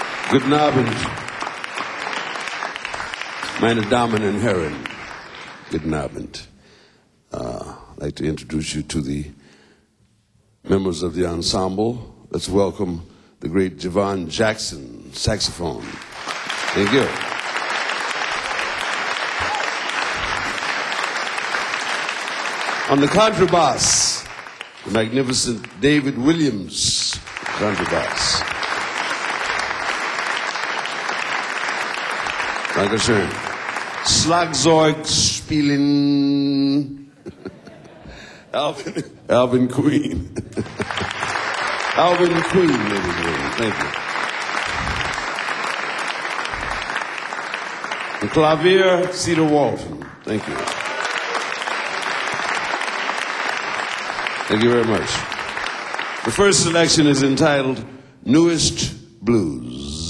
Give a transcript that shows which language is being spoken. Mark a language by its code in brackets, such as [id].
[de] Guten Abend, meine Damen und Herren. Guten Abend. [en] I'd like to introduce you to the members of the ensemble. Let's welcome the great Javon Jackson, saxophone. Thank you. On the contrabass, the magnificent David Williams, contrabass. Like I said, [de] Slagzeug spielen, [en] Alvin Queen. Alvin Queen, ladies and gentlemen, thank you. The clavier, Cedar Walton, thank you. Thank you very much. The first selection is entitled Newest Blues.